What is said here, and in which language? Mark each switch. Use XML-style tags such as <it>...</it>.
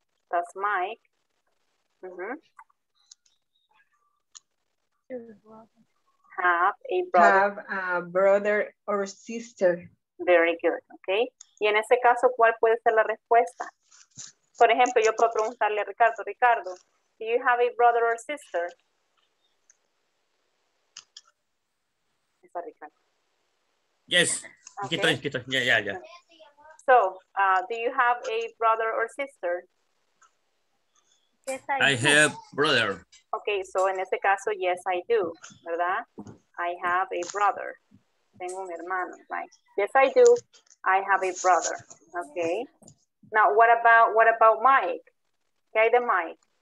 <en>Does Mike. Uh-huh. Have a brother or sister. Very good, okay.</en> <es>Y en ese caso, ¿cuál puede ser la respuesta? Por ejemplo, yo puedo preguntarle a Ricardo.</es> <en>Ricardo, do you have a brother or sister?</en> <es>Está Ricardo.</es> <en>Yes. Okay. Quito. Yeah. So, do you have a brother or sister? Yes, I do. I have brother. Okay, so</en> <es>en ese caso,</es> <en>yes, I do,</en> <es>¿verdad?</es> <en>I have a brother.</en> <es>Tengo un hermano,</es> <en>right? Yes, I do. I have a brother. Okay. Now, what about Mike?</en> <es>¿Qué hay de Mike?</es>